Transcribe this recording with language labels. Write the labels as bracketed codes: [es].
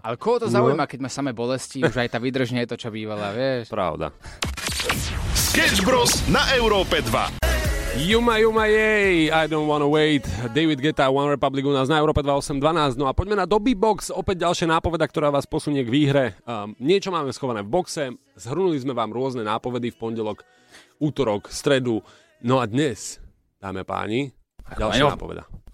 [sk] Ale koho to zaujíma, keď má samé bolesti, už aj tá výdrž nie je to, čo bývala, vieš? Pravda. Sketch Bros na Európe 2. [en] Yuma, yuma, yay, I don't wanna wait. [sk] David Guetta, One Republic u nás na Európe 2812. No a poďme na Dobby Box, opäť ďalšia nápoveda, ktorá vás posunie k výhre. Niečo máme schované v boxe, zhrnuli sme vám rôzne nápovedy v pondelok, útorok, stredu. No a dnes, dáme páni, ďalšia nápoveda.